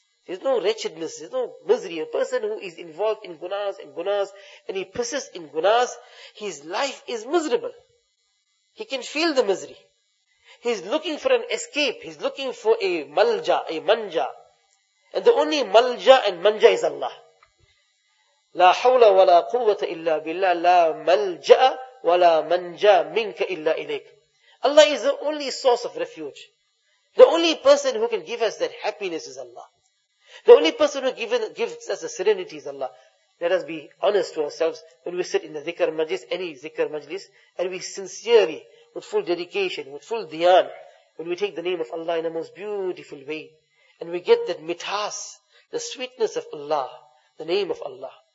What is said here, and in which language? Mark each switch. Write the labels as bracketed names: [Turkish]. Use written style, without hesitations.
[English] There's no wretchedness, there's no misery. A person who is involved in gunas and gunas, and he persists in gunas, his life is miserable. He can feel the misery. He's looking for an escape. He's looking for a malja, a manja. And the only malja and manja is Allah. [Arabic] لا حول ولا قوة إلا بالله لا ملجأ ولا منجأ منك إلا إليك. [English] Allah is the only source of refuge. The only person who can give us that happiness is Allah. The only person who gives us the serenity is Allah. Let us be honest to ourselves when we sit in the dhikr majlis, any dhikr majlis, and we sincerely, with full dedication, with full dhyan, when we take the name of Allah in the most beautiful way, and we get that mithas, the sweetness of Allah, the name of Allah.